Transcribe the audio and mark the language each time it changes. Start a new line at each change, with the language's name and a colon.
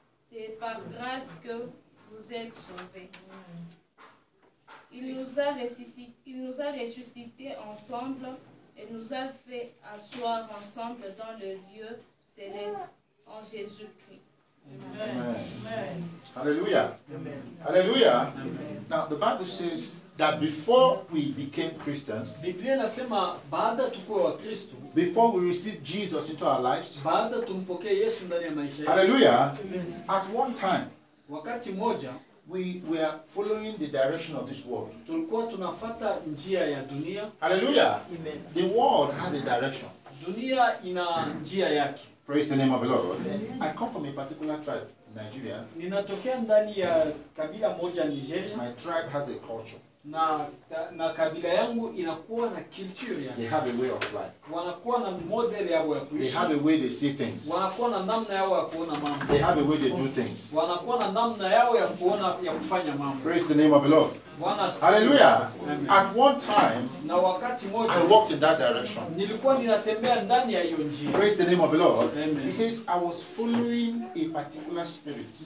French: C'est par grâce que vous êtes sauvés. Il nous a ressuscités ensemble. Et nous a fait asseoir ensemble dans le lieu céleste en Jésus-Christ. Amen. Alléluia. Amen. Alléluia. Amen.
English: Now the Bible says that before we became Christians,
Swahili: Biblia nasema baada tukua wa Kristo,
English: before we received Jesus into our lives,
Swahili: baada tumpokee Yesu ndani ya maisha yetu.
English: Hallelujah. Amen. At one time,
Swahili: wakati moja,
English: we were following the direction of this world.
Swahili: Tulikuwa tunafuata njia ya dunia.
English: Hallelujah. Amen. The world has a direction.
Swahili: Dunia ina njia yake.
English: Praise the name of the Lord. Amen. I come from a particular tribe in Nigeria.
Swahili: Ninatokea ndani ya kabila moja Nigeria.
English: My tribe has a culture.
Swahili: Na kabila yangu inakuwa na culture yake.
English: They have a way of life.
Swahili: Wanakuwa na model yao ya kuishi.
English: They have a way they see things.
Swahili: Wanakuwa na namna yao ya kuona mambo.
English: They have a way they do things.
Swahili: Wanakuwa na namna yao ya kuona ya kufanya mambo.
English: Praise the name of the Lord. Hallelujah. Amen. At one time,
Swahili: na wakati moja,
English: I walked in that direction.
Swahili: Nilikuwa ninatembea ndani ya hiyo njia.
English: Praise the name of the Lord. Amen. He says I was following a particular spirit.